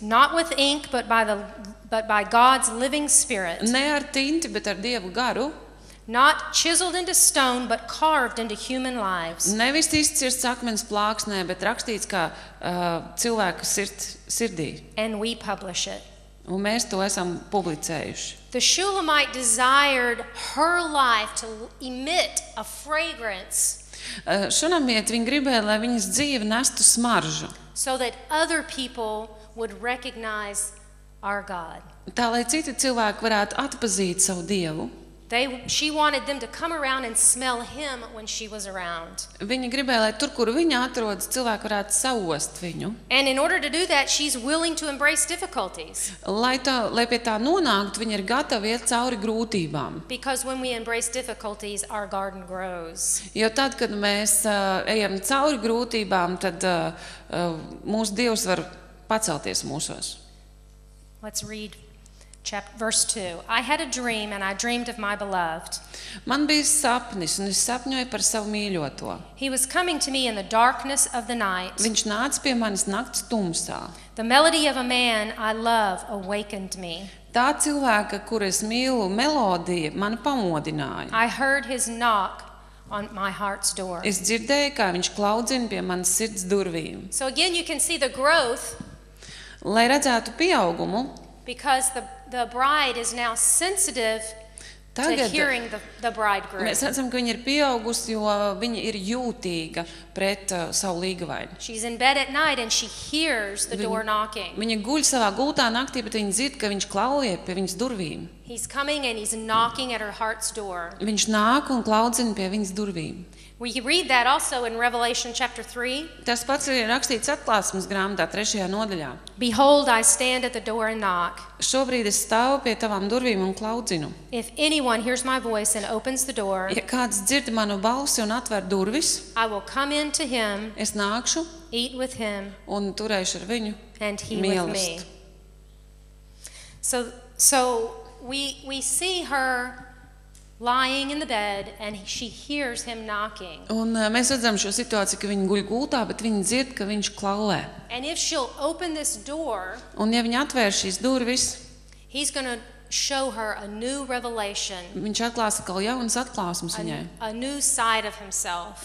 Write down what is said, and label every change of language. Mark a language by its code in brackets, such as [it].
[en] Not with ink, but by God's living spirit. [lv] Ne ar tinti, bet ar Dievu garu. [en] Not chiseled into stone, but carved into human lives. [lv] Nevis izcirsts akmens plāksnē, bet rakstīts kā cilvēka sirdī. [en] And we publish it. [lv] Un mēs to esam publicējuši. [en] The Shulamite desired her life to emit a fragrance. [lv] Šunamiet viņa gribēja, lai viņas dzīve nestu smaržu. [en] So that other people would recognize our God. [lv] Tā, lai citi cilvēki varētu atpazīt savu Dievu. [en] She wanted them to come around and smell him when she was around. [lv] Viņa gribēja, lai tur, kur viņa atrodas, cilvēki varētu saost viņu. [en] And in order to do that, she's willing to embrace difficulties. [lv] Lai pie tā nonākt, viņa ir gatava iet cauri grūtībām. [en] Because when we embrace difficulties, our garden grows. [lv] Jo tad, kad mēs ejam cauri grūtībām, tad mūsu Dievs var pacelties mūsos. [en] Let's read Verse 2. I had a dream and I dreamed of my beloved. [lv] Man bija sapnis un es sapņoju par savu mīļoto. [en] He was coming to me in the darkness of the night. [lv] Viņš nāca pie manis nakts tumsā. [en] The melody of a man I love awakened me. [lv] Tā cilvēka, kuru es mīlu, melodija mani pamodināja. [en] I heard his knock on my heart's door. [lv] Es dzirdēju, kā viņš klaudzina pie manas sirds durvīm. [en] So again you can see the growth. [lv] Lai redzētu pieaugumu. [en] Because the bride is now sensitive [lv] Tagad [en] to hearing the bridegroom. [lv] Mēs redzam, ka viņa ir pieaugusi, jo viņa ir jūtīga pret savu līgavaini. [en] She's in bed at night and she hears the door knocking. [lv] Viņa guļ savā gultā naktī, bet viņa dzird, ka viņš klauvē pie viņas durvīm. [en] He's coming and he's knocking at her heart's door. [lv] Viņš nāk un klaudzina pie viņas durvīm. [en] We read that also in Revelation chapter 3. [lv] Tas pats ir rakstīts Atklāsmes grāmatā 3. Nodaļā. [en] Behold, I stand at the door and knock. [lv] Šobrīd es stāvu pie tavām durvīm un klaudzinu. [en] If anyone hears my voice and opens the door, [lv] ja kāds dzird manu balsi un atver durvis, [en] I will come in to him. [lv] Es nākšu. [en] Eat with him. [lv] Un turēšu ar viņu. [en] And he [lv] mīlest. [en] With me. So we see her lying in the bed and she hears him knocking. [lv] Un mēs redzam šo situāciju, ka viņa guļ gultā, bet viņa dzird, ka viņš klauvē. [en] And if she'll open this door, [lv] un ja viņa atvērs šīs durvis, [en] he's going to show her a new revelation. [lv] Viņš atklās atkal jaunas atklāsmes viņai. [en] A new side of himself.